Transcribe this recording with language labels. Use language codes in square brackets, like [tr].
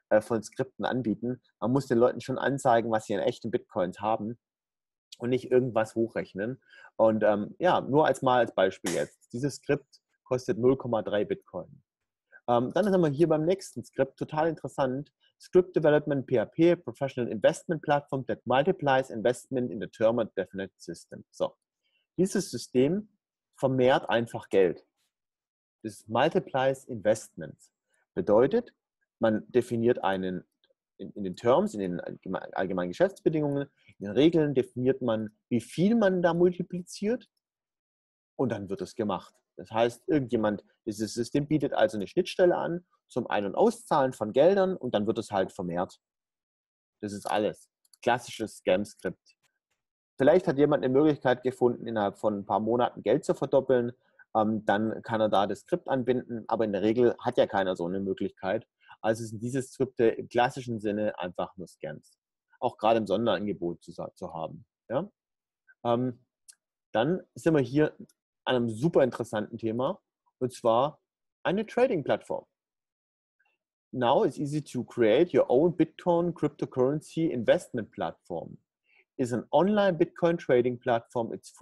[de] von Skripten anbieten. Man muss den Leuten schon anzeigen, was sie an echten Bitcoins haben und nicht irgendwas hochrechnen. Und ja, nur als mal als Beispiel jetzt. Dieses Skript kostet 0,3 Bitcoin. Dann sind wir hier beim nächsten Skript, total interessant. [en] Script Development PHP, Professional Investment Platform that multiplies investment in the term of definite system. [de] So, dieses System vermehrt einfach Geld. Das [en] multiplies investments. [de] Bedeutet, man definiert einen in den Terms, in den allgemeinen Geschäftsbedingungen, in den Regeln definiert man, wie viel man da multipliziert und dann wird es gemacht. Das heißt, irgendjemand, dieses System bietet also eine Schnittstelle an zum Ein- und Auszahlen von Geldern und dann wird es halt vermehrt. Das ist alles. Klassisches Scam-Skript. Vielleicht hat jemand eine Möglichkeit gefunden, innerhalb von ein paar Monaten Geld zu verdoppeln. Dann kann er da das Skript anbinden, aber in der Regel hat ja keiner so eine Möglichkeit. Also sind diese Skripte im klassischen Sinne einfach nur Scams. Auch gerade im Sonderangebot zu haben. Ja? Dann sind wir hier an einem super interessanten Thema, und zwar eine Trading-Plattform. [en] Now it's easy to create your own Bitcoin cryptocurrency investment platform. It's an online Bitcoin trading platform.